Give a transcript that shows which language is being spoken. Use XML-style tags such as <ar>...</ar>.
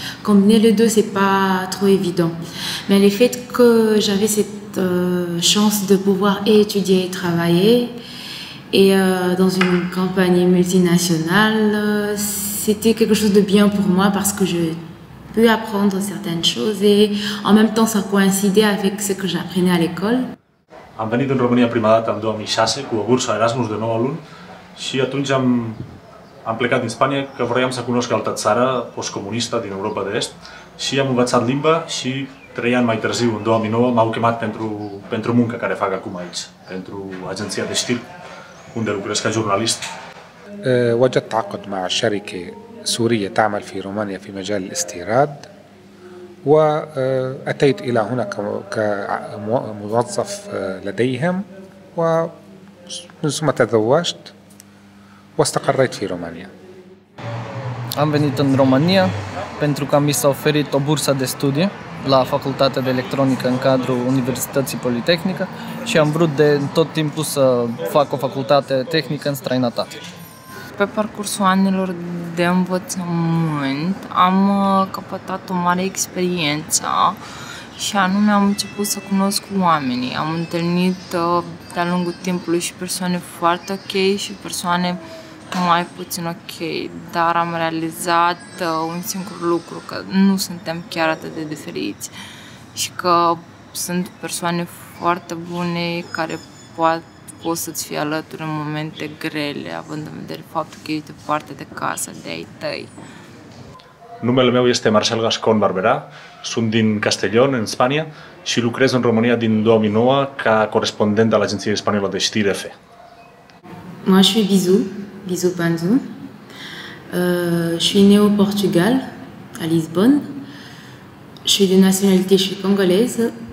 <fr>Combiner les deux c'est pas trop évident. Mais le fait que j'avais cette chance de pouvoir étudier et travailler et dans une campagne multinationale, c'était quelque chose de bien pour moi parce que je pu apprendre certaines choses et en même temps ça coïncidait avec ce que j'apprenais à l'école.</fr> <ro>Am venit în România prima dată în 2006 cu o bursă Erasmus de 9 luni și atunci am plecat din Spania că vroiam să cunosc altă țară postcomunistă din Europa de Est și am învățat limba și 3 ani mai târziu, în 2009, m-au chemat pentru munca care fac acum aici, pentru agenția de știri unde lucrez ca jurnalist.</ro> <ar>وجدت عقد مع شركة سورية تعمل في رومانيا في مجال الاستيراد وأتيت إلى هنا كموظف لديهم ومن ثم تزوجت واستقريت في رومانيا.</ar> <ro>Am venit în România pentru că mi s-a oferit o bursă de studii la Facultatea de Electronică în cadrul Universității Politehnică și am vrut de tot timpul să fac o facultate tehnică în străinătate. Pe parcursul anilor de învățământ am căpătat o mare experiență și anume am început să cunosc oamenii. Am întâlnit de-a lungul timpului și persoane foarte ok și persoane mai puțin ok, dar am realizat un singur lucru, că nu suntem chiar atât de diferiți și că sunt persoane foarte bune care poți să-ți fie alături în momente grele, având în vedere faptul că ești departe de casă, de ai tăi. Numele meu este Marcel Gascon Barberà, sunt din Castellón, în Spania, și lucrez în România din 2009 ca corespondent al Agenției Spaniole de Știri EFE.</ro> <fr>Moi, je suis Bizou, Bizou Panzou. Je suis né au Portugal, à Lisbonne. Je suis de nationalité, je suis congolaise.</fr>